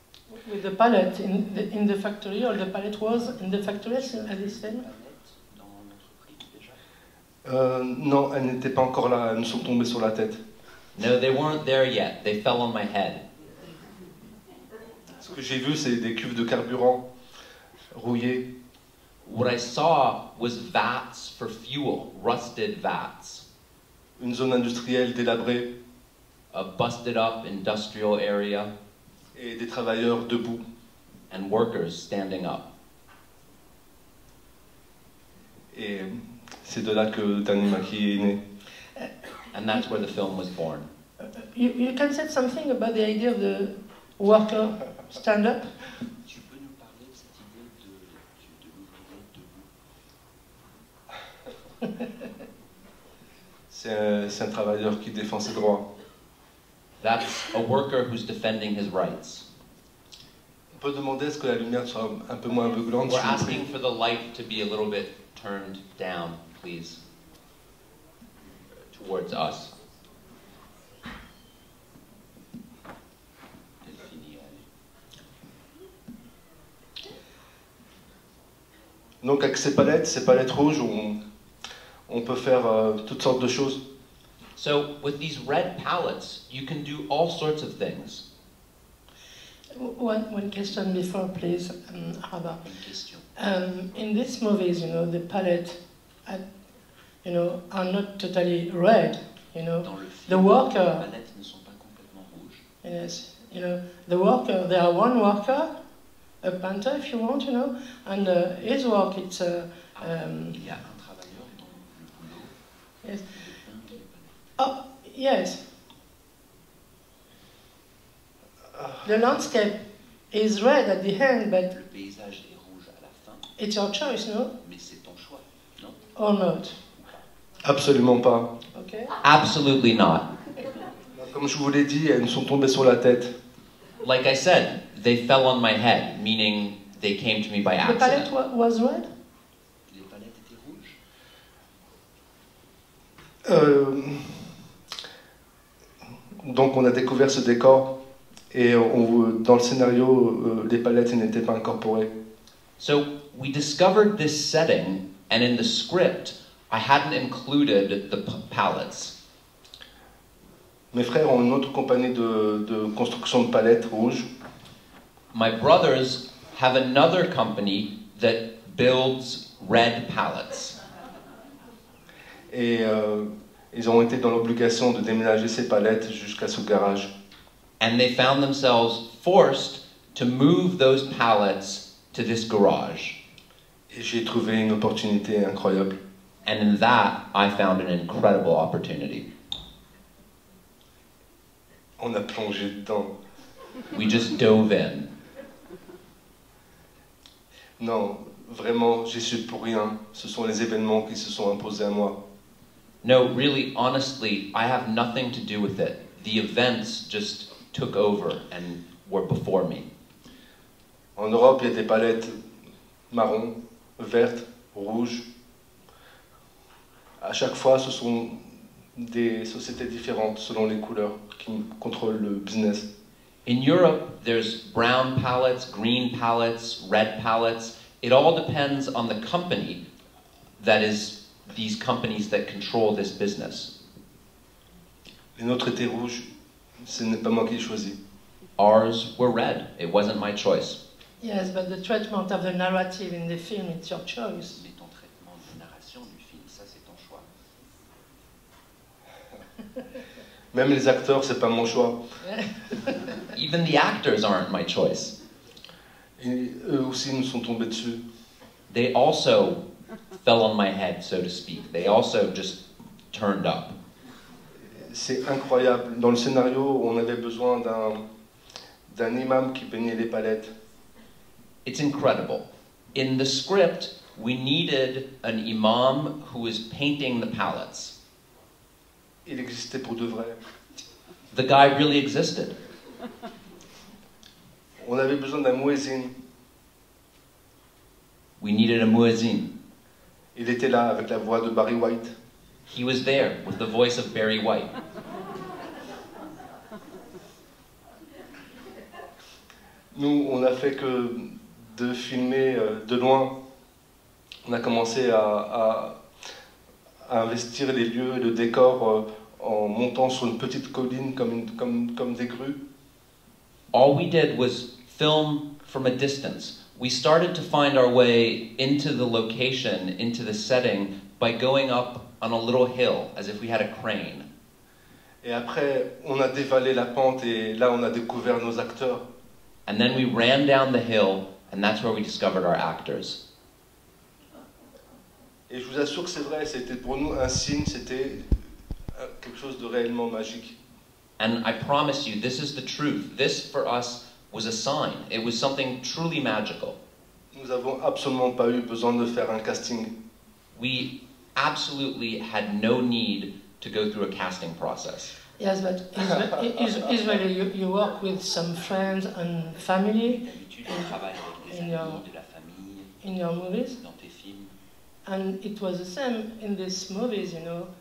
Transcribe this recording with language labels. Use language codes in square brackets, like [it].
[en] With the palette in the factory, or the palette was in the factory, as they said? [fr] Non, elles n'étaient pas encore là, elles me sont tombées sur la tête. [en] No, they weren't there yet, they fell on my head. [fr] Ce que j'ai vu, c'est des cuves de carburant rouillées. [en] What I saw was vats for fuel, rusted vats. [fr] Une zone industrielle délabrée. [en] A busted up industrial area. [fr] Et des travailleurs debout. [en] And workers standing up. [fr] Et c'est de là que Dernier est né. [en] And that's where the film was born. You can say something about the idea of the worker stand up? [fr] C'est un travailleur qui défend ses droits. [en] That's a worker who's defending his rights. [fr] On peut demander est-ce que la lumière soit un peu moins aveuglante. [en] We're asking for the light to be a little bit turned down, please. Towards us. [fr] Donc avec ces palettes rouges, on peut faire toutes sortes de choses. [en] So with these red palettes, you can do all sorts of things. One question before, please, Rabah. In these movies, you know, the palette, you know, are not totally red. You know, the worker. [fr] Les palettes ne sont pas complètement rouges. [en] Yes, you know, the worker. There are one worker, a painter, if you want, you know, and his work. It's a. [fr] Il y a un travailleur dans le boulot. [en] Yes. Oh yes. The landscape is red at the end, but [fr] le paysage est rouge à la fin. [en] It's your choice, no? [fr] Mais c'est ton choix, non? [en] Or not? Absolutely [fr] pas. [en] Okay. Absolutely not. [fr] Comme je vous l'ai dit, elles sont tombées sur la tête. [en] Like I said, they fell on my head, meaning they came to me by accident. The palette was red? [fr] Les palettes étaient rouges. Donc on a découvert ce décor. Et dans le scénario, les palettes n'étaient pas incorporées. [en] So we discovered this setting, and in the script, I hadn't included the palettes. [fr] Mes frères ont une autre compagnie de construction de palettes rouges. [en] My brothers have another company that builds red palettes. [fr] Et ils ont été dans l'obligation de déménager ces palettes jusqu'à ce garage. [en] And they found themselves forced to move those pallets to this garage. [fr] Et j'ai trouvé une opportunité incroyable. [en] And in that, I found an incredible opportunity. [fr] On a plongé dedans. [en] We just dove in. [fr] Non, vraiment, j'y suis pour rien. Ce sont les événements qui se sont imposés à moi. [en] No, really, honestly, I have nothing to do with it. The events just took over and were before me. [fr] En Europe, il y a des palettes marron, verte, rouge. À chaque fois, ce sont des sociétés différentes selon les couleurs qui contrôlent le business. [en] In Europe, there's brown palettes, green palettes, red palettes. It all depends on the company that is these companies that control this business. [fr] Les nôtres étaient rouges. Ce n'est pas moi qui ai choisi. [en] Ours were red. It wasn't my choice. Yes, but the treatment of the narrative in the film, it's your choice. [fr] Mais ton traitement de narration du film, ça c'est ton choix. Même les acteurs, c'est pas mon choix. [en] Even the actors aren't my choice. [fr] Et eux aussi nous sont tombés dessus. [en] They also fell on my head, so to speak. They also just turned up. [fr] C'est incroyable. Dans le scénario, on avait besoin d'un imam qui peignait les palettes. [en] It's incredible. In the script, we needed an imam who was painting the palettes. [fr] Il existait pour de vrai. [en] The guy really existed. [fr] On avait besoin d'un muezzin. [en] We needed a muezzin. [fr] Il était là avec la voix de Barry White. [en] He was there with the voice of Barry White. [fr] Nous, on a fait que de filmer de loin. On a commencé à investir les lieux, le décor en montant sur une petite colline comme des grues. [en] All we did was film from a distance. We started to find our way into the location, into the setting, by going up on a little hill, as if we had a crane. [fr] Et après, on a dévalé la pente et là, on a découvert nos acteurs. [en] And then we ran down the hill, and that's where we discovered our actors. [fr] Et je vous assure que c'est vrai, c'était pour nous un signe, c'était quelque chose de réellement magique. [en] And I promise you, this is the truth. This, for us, was a sign. It was something truly magical. [fr] Nous avons absolument pas eu besoin de faire un casting. [en] We absolutely had no need to go through a casting process. Yes, but Israeli, you work with some friends and family in your movies. [fr] Dans tes films. [en] And it was the same in these movies, you know.